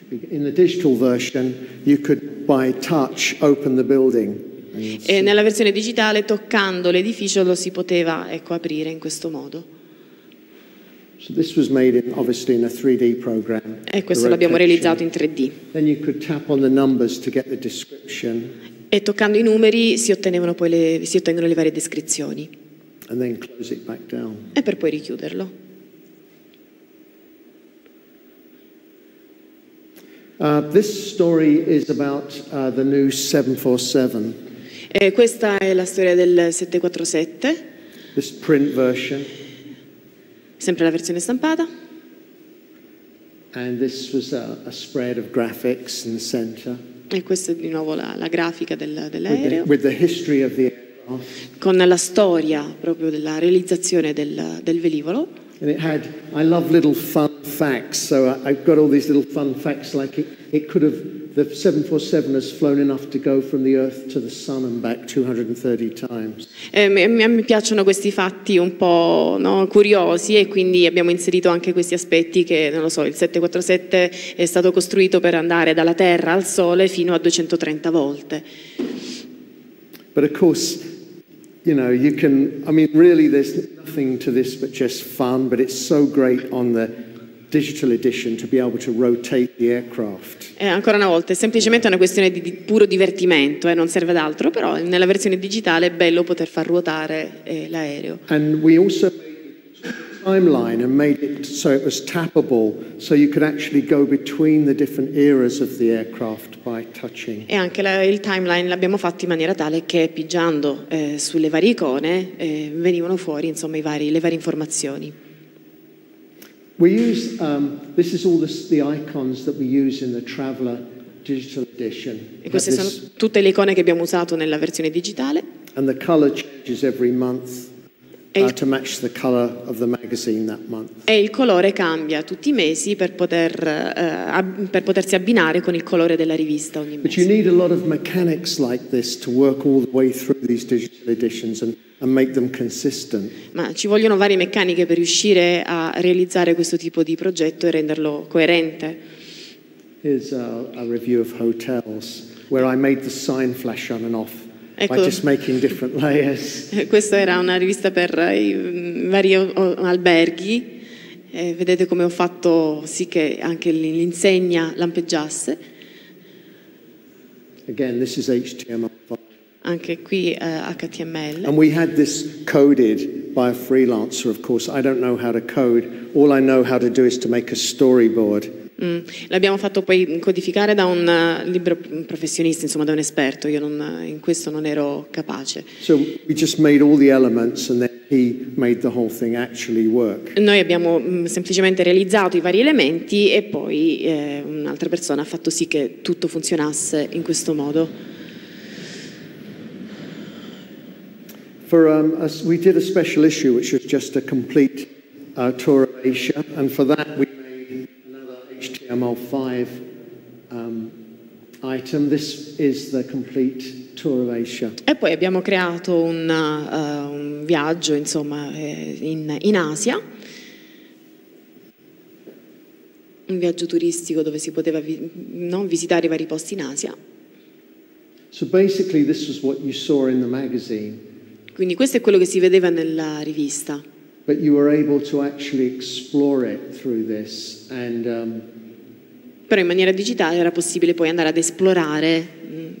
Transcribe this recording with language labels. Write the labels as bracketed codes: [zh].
[en] In the digital version, you could by touch open the building. [it] E nella versione digitale, toccando l'edificio, lo si poteva, ecco, aprire in questo modo. [en] So this was made in, obviously, in a 3D program. [it] E questo l'abbiamo realizzato in 3D. [en] Then you could tap on the numbers to get the description. [it] E toccando i numeri si ottengono le varie descrizioni. [en] And then close it back down. [it] E per poi richiuderlo. [en] This story is about the new 747. [it] Questa è la storia del 747. [en] This print version. [it] Sempre la versione stampata. [en] And this was a spread of graphics in the center. [it] E questa è di nuovo la grafica dell'aereo. [en] With the history of the aircraft. [it] Con la storia proprio della realizzazione del velivolo. [en] And it had, I love little fun facts, so I've got all these little fun facts like it could have, the 747 has flown enough to go from the Earth to the Sun and back 230 times. [it] Mi piacciono questi fatti un po', no, curiosi, e quindi abbiamo inserito anche questi aspetti che, non lo so, il 747 è stato costruito per andare dalla Terra al Sole fino a 230 volte. [en] But of course, you know, you can, I mean, really there's nothing to this but just fun, but it's so great on the digital edition to be able to rotate the aircraft. [it] Ancora una volta, è semplicemente una questione di puro divertimento, non serve ad altro, però nella versione digitale è bello poter far ruotare l'aereo. [en] And we also made the timeline and made it so it was tappable, so you could actually go between the different eras of the aircraft by touching. [it] E anche il timeline l'abbiamo fatto in maniera tale che pigiando sulle varie icone venivano fuori, insomma, le varie informazioni. [en] We use, this is all the icons that we use in the Traveler digital edition. [it] E queste sono tutte le icone che abbiamo usato nella versione digitale. [en] And the color changes every month to match the color of the magazine that month. [it] E il colore cambia tutti i mesi per potersi abbinare con il colore della rivista ogni mese. [en] But you need a lot of mechanics like this to work all the way through these digital editions and make them consistent. [it] Ma ci vogliono varie meccaniche per riuscire a realizzare questo tipo di progetto e renderlo coerente. [en] Here's a review of hotels where I made the sign flash on and off, [it] ecco, [en] by just making different layers. [it] Questa era una rivista per i vari alberghi. Vedete come ho fatto sì che anche l'insegna lampeggiasse. [en] Again, this is HTML. [it] Anche qui HTML. [en] And we had this coded by a freelancer, of course. I don't know how to code. All I know how to do is to make a storyboard. [it] L'abbiamo fatto poi codificare da un libro professionista, insomma, da un esperto. Io non, in questo non ero capace. [en] So we just made all the elements and then he made the whole thing actually work. [it] Noi abbiamo semplicemente realizzato i vari elementi e poi un'altra persona ha fatto sì che tutto funzionasse in questo modo. [en] For we did a special issue which was just a complete tour of Asia, and for that we made another HTML5 item. This is the complete tour of Asia. [it] E poi abbiamo creato un viaggio, insomma, in Asia. Un viaggio turistico dove si poteva visitare i vari posti in Asia. [en] So basically this was what you saw in the magazine. [it] Quindi questo è quello che si vedeva nella rivista. [en] But you were able to actually explore it through this and [it] però in maniera digitale era possibile poi andare ad esplorare,